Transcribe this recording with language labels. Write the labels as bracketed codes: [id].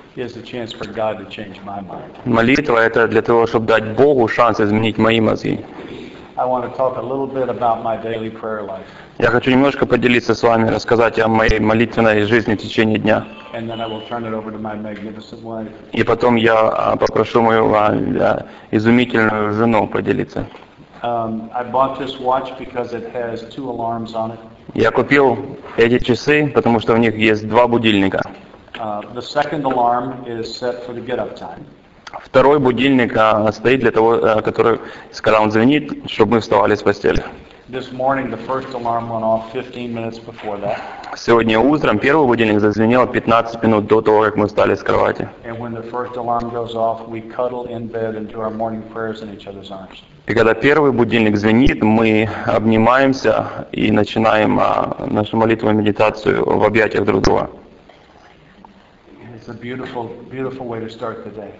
[en] Is a chance for God to change my mind. [ru] Молитва это для того, чтобы дать Богу шанс изменить мои мозги. [en] I want to talk a little bit about my daily prayer life. [ru] Я хочу немножко поделиться с вами, рассказать о моей молитвенной жизни в течение дня. [en] And then I will turn it over to my magnificent wife. [ru] И потом я попрошу мою изумительную жену поделиться. [en] I bought this watch because it has two alarms on it. [ru] Я купил эти часы, потому что в них есть два будильника. [en] The second alarm is set for the get-up time. [ru] Второй будильник стоит для того, который, когда он звенит, чтобы мы вставали с постели. [en] This morning the first alarm went off 15 minutes before that. [ru] Сегодня утром первый будильник зазвенел 15 минут до того, как мы встали с кровати. [en] And when the first alarm goes off, we cuddle in bed and do our morning prayers in each other's arms. [ru] И когда первый будильник звенит, мы обнимаемся и начинаем нашу молитву и медитацию в объятиях друг друга. [en] beautiful way to start the day.